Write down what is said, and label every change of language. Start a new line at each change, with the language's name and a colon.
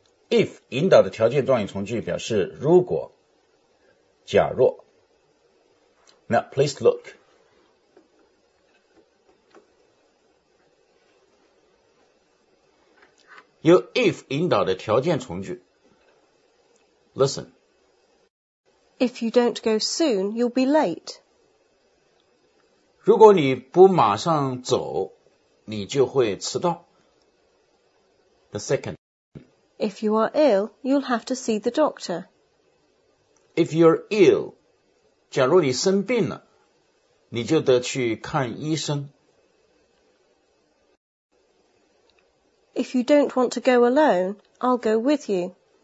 Chinese: if 引导的条件状语从句表示如果、假若。
English: Now, please look.
Chinese: 由 if 引导的条件从句。
English: Listen. If you don't go soon, you'll be late.
Chinese: 如果你不马上走，你就会迟到。
English: The second. If you are ill, you'll have to see the doctor. If you're ill,
Chinese: 假如你生病了，你就得去看医生。
English: If you don't want to go alone, I'll go with you.